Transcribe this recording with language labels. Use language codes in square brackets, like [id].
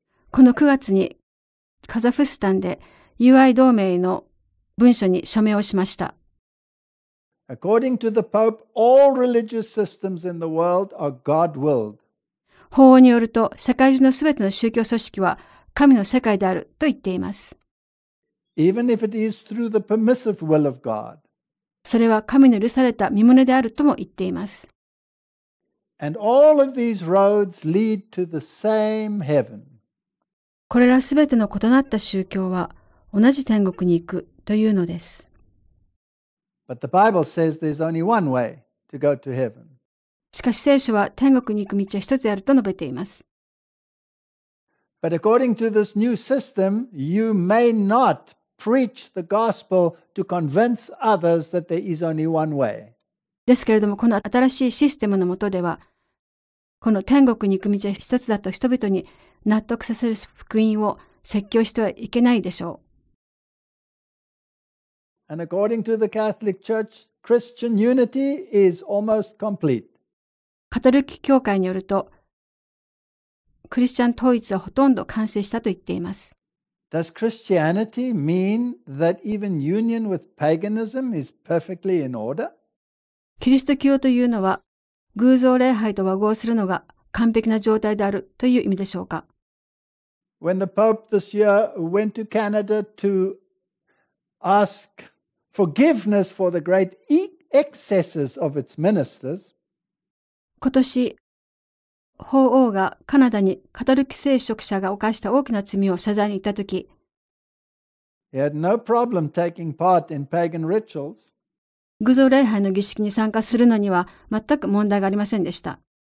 [ja] この9月にカザフスタンで UI 同盟の文書に署名をしました。 [en] According to the Pope, all religious systems in the world are God-willed. [ja] 法によると、世界中のすべての宗教組織は神の世界であると言っています。 [en] Even if it is through the permissive will of God. [ja] それは神の許された御旨であるとも言っています。 [en] And all of these roads lead to the same heaven. [ja] これらすべての異なった宗教は同じ天国に行く。というのです。 [en] But the Bible says there's only one way to go to heaven. [ja] しかし聖書は天国に行く道は一つであると述べています。 [en] But according to this new system, you may not preach the gospel to convince others that there is only one way. [ja] ですけれども、この新しいシステムの下では、この天国に行く道は一つだと人々に納得させる福音を説教してはいけないでしょう。 [en] And according to the Catholic Church, Christian unity is almost complete. [ja] カトリック教会によると、クリスチャン統一はほとんど完成したと言っています。 [en] Does Christianity mean that even union with paganism is perfectly in order? [ja] キリスト教というのは、偶像礼拝と和合するのが完璧な状態であるという意味でしょうか。 [en] When the Pope this year went to Canada to ask forgiveness for the great excesses of its ministers. [ja] 今年、法王がカナダにカトリック聖職者が犯した大きな罪を謝罪に行ったとき、 [en] He had no problem taking part in pagan rituals. [ja] 偶像礼拝の儀式に参加するのには全く問題がありませんでした。